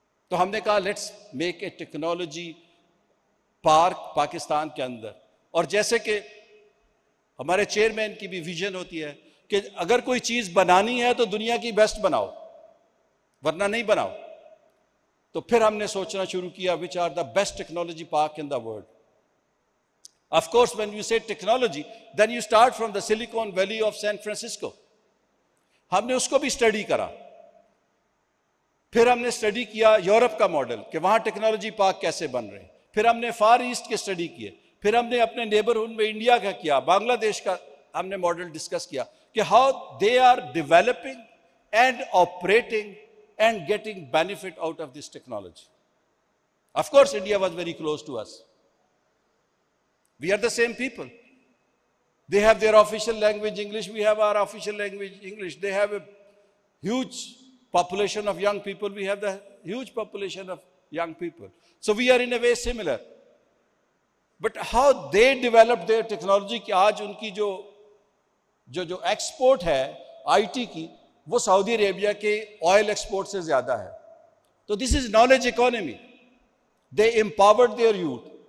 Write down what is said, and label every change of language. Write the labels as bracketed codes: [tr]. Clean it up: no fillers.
[ur] تو ہم نے کہا [en] let's make a technology park [ur] Pakistan کے اندر. اور جیسے کہ ہمارے چیئرمین کی بھی ویژن ہوتی ہے کہ اگر کوئی چیز بنانی ہے تو دنیا کی بیسٹ بناؤ ورنہ نہیں بناؤ. تو پھر ہم نے سوچنا شروع کیا [en] Which are the best technology park in the world. Of course when you say technology then you start from the Silicon Valley of San Francisco. [ur] ہم نے اس کو بھی اسٹڈی کرا, پھر ہم نے اسٹڈی کیا یورپ کا ماڈل کہ وہاں ٹیکنالوجی پارک کیسے بن رہے, پھر ہم نے فار ایسٹ کے اسٹڈی کیے, پھر ہم نے اپنے نیبرہڈ میں انڈیا کا کیا, بنگلہ دیش کا ہم نے ماڈل ڈسکس کیا کہ [en] How they are developing and operating and getting benefit out of this technology. Of course India was very close to us, we are the same people, they have their official language English, we have our official language English, they have a huge population of young people, we have the huge population of young people, so we are in a way similar. But how they develop their technology, [ur] کہ آج ان کی جو export ہے I T کی وہ سعودی عربیہ کے oil export سے زیادہ ہے. [en] تو this is knowledge economy, they empowered their youth.